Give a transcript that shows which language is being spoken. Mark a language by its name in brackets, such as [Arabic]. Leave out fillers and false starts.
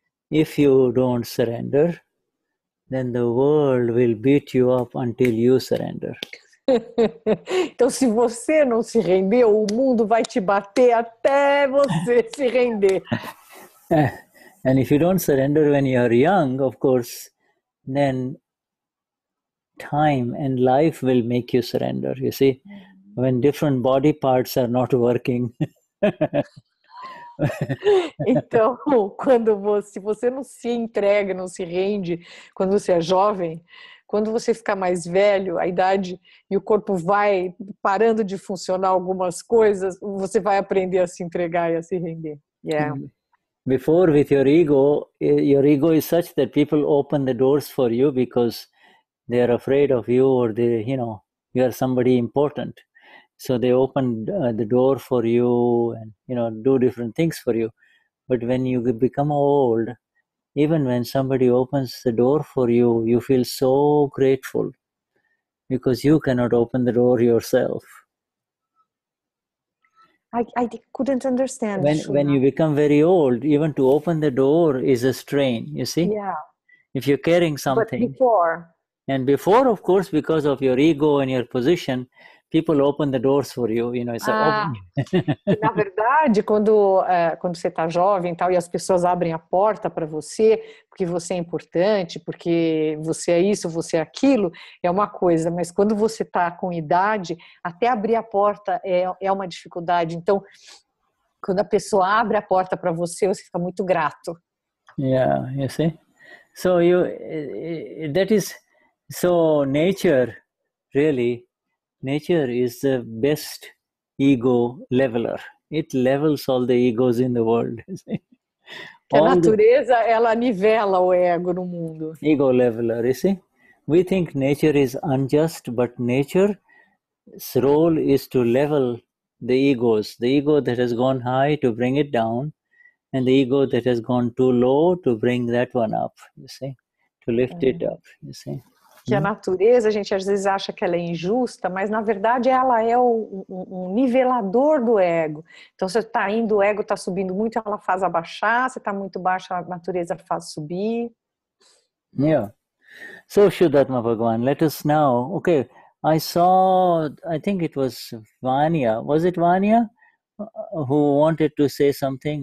[English] If you don't surrender, then the world will beat you up until you surrender. [Portuguese] Então, se você não se render, o mundo vai te bater até você se render. [English] And if you don't surrender when you are young, of course, then time and life will make you surrender, you see, when different body parts are not working. [Portuguese] Então, quando você, se você não se entrega, não se rende, quando você é jovem, quando você ficar mais velho, a idade e o corpo vai parando de funcionar algumas coisas, você vai aprender a se entregar e a se render. [English] Yeah. Mm-hmm. Before, with your ego is such that people open the doors for you because they are afraid of you, or they, you know, you are somebody important. So they open the door for you and, you know, do different things for you. But when you become old even when somebody opens the door for you, you feel so grateful because you cannot open the door yourself. I couldn't understand. When you become very old, even to open the door is a strain, you see? Yeah. If you're carrying something. But before. And before, of course, because of your ego and your position, people open the doors for you, you know, it's [Portuguese] Na verdade, quando você está jovem tal, e as pessoas abrem a porta para você, porque você é importante, porque você é isso, você é aquilo, é uma coisa. Mas quando você está com idade, até abrir a porta é uma dificuldade. Então, quando a pessoa abre a porta para você, você fica muito grato. [English] Yeah, you see? So, nature, really, nature is the best ego leveler. It levels all the egos in the world. [Portuguese] A natureza, ela nivela o ego no mundo. [English] Ego leveler, you see? We think nature is unjust, but nature's role is to level the egos. The ego that has gone high to bring it down, and the ego that has gone too low to bring that one up, you see? To lift it up, you see? [Portuguese] Que a natureza, a gente às vezes acha que ela é injusta, mas na verdade ela é um nivelador do ego. Então, você está indo, o ego está subindo muito, ela faz abaixar, você está muito baixo, a natureza faz subir. [English] Yeah. So, Vishuddhatma Bhagavan, let us now. Okay, I saw, I think it was Vanya. Was it Vanya who wanted to say something?